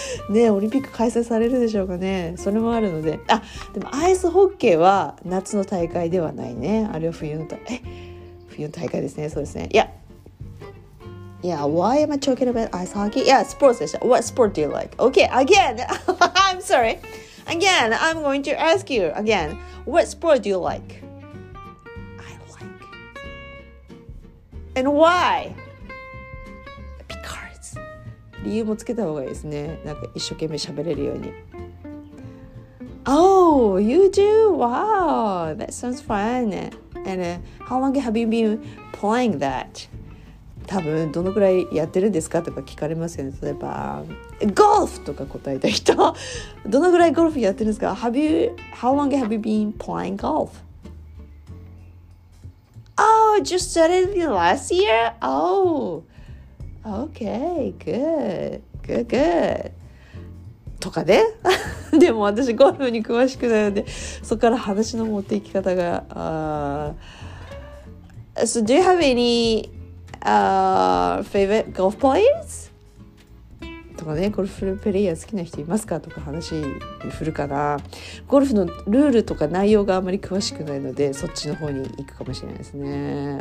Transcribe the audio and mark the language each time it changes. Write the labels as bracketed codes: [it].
[ja] ね、オリンピック開催されるでしょうかね。それもあるので、あ、でもアイスホッケーは夏の大会ではないね。あれは冬の、え、冬の大会ですね。そうですね。 [en] Yeah, why am I talking about ice hockey? Yeah, sports [ja] でした。 [en] What sport do you like? Okay, again, I'm sorry. Again, I'm going to ask you again. What sport do you like? I like. And why? Because. [ja] 理由もつけた方がいいですね。なんか一生懸命喋れるように。 [en] Oh, you do? Wow, that sounds fun. And how long have you been playing that? [ja] 多分どのくらいやってるんですかとか聞かれますよね。例えばゴルフとか答えた人どのぐらいゴルフやってるんですか。 [en] How long have you been playing golf? Oh, just started last year? Oh, okay, good [ja] とかねでも私ゴルフに詳しくないので、そこから話の持っていき方が、 [en] So do you have any favorite golf players? [ja] とかね、ゴルフプレイヤー好きな人いますかとか話振るかな。ゴルフのルールとか内容があまり詳しくないので、そっちの方に行くかもしれないですね。